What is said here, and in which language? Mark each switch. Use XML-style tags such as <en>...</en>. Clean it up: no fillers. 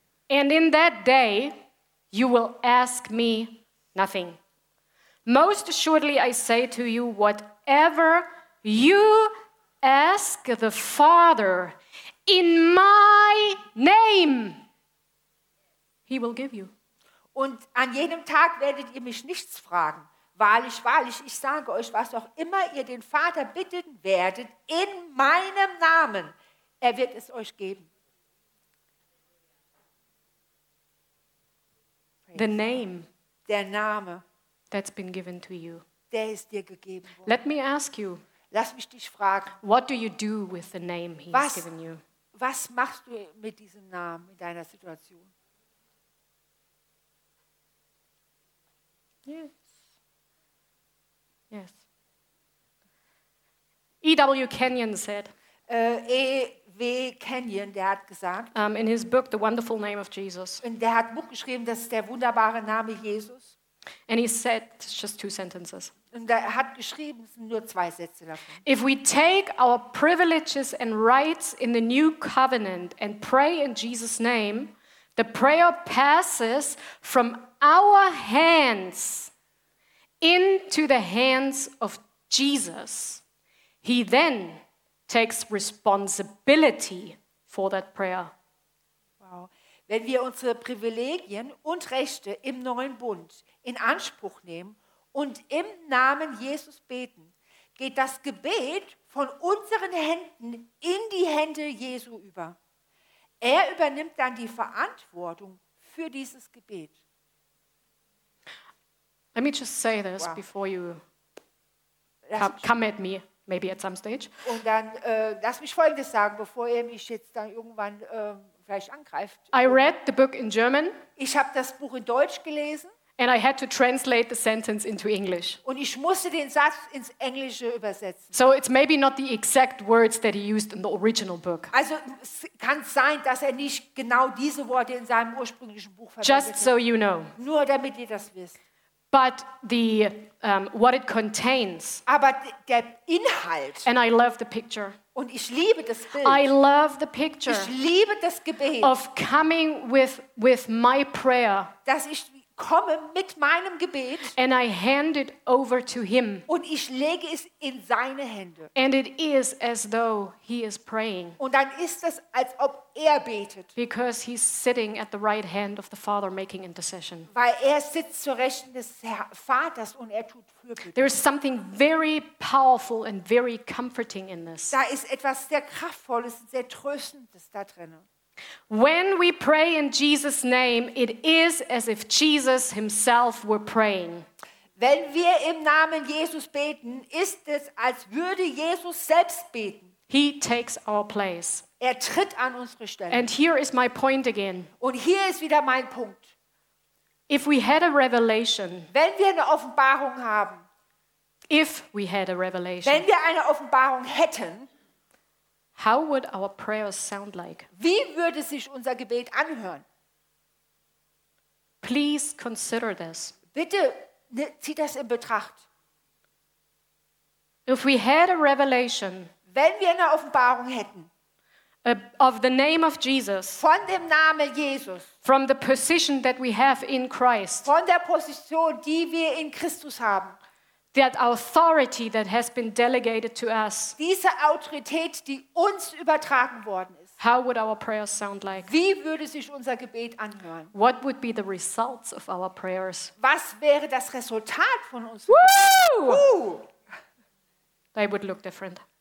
<en>And in that day you will ask me nothing. Most assuredly, I say to you, whatever you ask the Father in my name, he will give you.</en> <de>Und an jenem Tag werdet ihr mich nichts fragen. Wahrlich, wahrlich, ich sage euch, was auch immer ihr den Vater bitten werdet, in meinem Namen, er wird es euch geben.</de> <en>The name.</en> <de>Der Name.</de> <en>That's been given to you.</en> <de>Der ist dir gegeben worden.</de> <en>Let me ask you.</en> <de>Lass mich dich fragen.</de> <en>What do you do with the name he's given you?</en> <de>Was machst du mit diesem Namen in deiner Situation?</de> <en>Yes. E.W. Kenyon said.</en> <de>E.W. Kenyon, der hat gesagt.</de> <en>In his book, The Wonderful Name of Jesus.</en> <de>Und der hat ein Buch geschrieben, das ist der wunderbare Name Jesus.</de> <en>And he said just two sentences.</en> <de>Und er hat geschrieben, es sind nur zwei Sätze davon.</de> <en>If we take our privileges and rights in the new covenant and pray in Jesus' name, the prayer passes from our hands into the hands of Jesus. He then takes responsibility for that prayer. Wow.</en> <de>Wenn wir unsere Privilegien und Rechte im neuen Bund in Anspruch nehmen und im Namen Jesus beten, geht das Gebet von unseren Händen in die Hände Jesu über. Er übernimmt dann die Verantwortung für dieses Gebet.</de> <en>Let me just say this, wow, before you come at me, maybe at some stage.</en> <de>Und dann lass mich Folgendes sagen, bevor er mich jetzt dann irgendwann vielleicht angreift.</de> <en>I read the book in German.</en> <de>Ich habe das Buch in Deutsch gelesen.</de> <en>And I had to translate the sentence into English.</en> <de>Und ich musste den Satz ins Englische übersetzen.</de> <en>So it's maybe not the exact words that he used in the original book.</en> <de>Also es kann sein, dass er nicht genau diese Worte in seinem ursprünglichen Buch verwendet.</de> <en>Just so you know.</en> <de>Nur damit ihr das wisst.</de> <en>But the what it contains.</en> <de>Aber der Inhalt.</de> <en>And I love the picture.</en> <de>Und ich liebe das Bild.</de> <en>I love the picture.</en> <de>Ich liebe das Gebet.</de> <en>Of coming with my prayer.</en> <de>Dass ich komme mit meinem Gebet.</de> <en>And I hand it over to him.</en> <de>Und ich lege es in seine Hände.</de> <en>And it is as though he is praying.</en> <de>Und dann ist es, als ob er betet.</de> <en>Because he's sitting at the right hand of the Father making intercession.</en> <de>Weil er sitzt zur Rechten des Vaters und er tut Fürbitte.</de> <en>There is something very powerful and very comforting in this.</en> <de>Da ist etwas sehr Kraftvolles und sehr Tröstendes da drin.</de> <en>When we pray in Jesus' name, it is as if Jesus himself were praying.</en> <de>Wenn wir im Namen Jesus beten, ist es, als würde Jesus selbst beten.</de> <en>He takes our place.</en> <de>Er tritt an unsere Stelle.</de> <en>And here is my point again.</en> <de>Und hier ist wieder mein Punkt.</de> <en>If we had a revelation.</en> <de>Wenn wir eine Offenbarung haben.</de> <en>If we had a revelation.</en> <de>Wenn wir eine Offenbarung hätten.</de> <en>How would our prayers sound like?</en> <de>Wie würde sich unser Gebet anhören?</de> <en>Please consider this.</en> <de>Bitte, zieh das in Betracht.</de> <en>If we had a revelation,</en> <de>wenn wir eine Offenbarung hätten,</de> <en>of the name of Jesus,</en> <de>von dem Namen Jesus,</de> <en>from the position that we have in Christ,</en> <de>von der Position, die wir in Christus haben,</de> <en>that authority that has been delegated to us.</en> <de>Diese Autorität, die uns übertragen worden ist.</de> <en>How would our prayers sound like?</en> <de>Wie würde sich unser Gebet anhören?</de> <en>What would be the results of our prayers?</en> <de>Was wäre das Resultat von uns?</de> <en>Woo! They would look different.</en>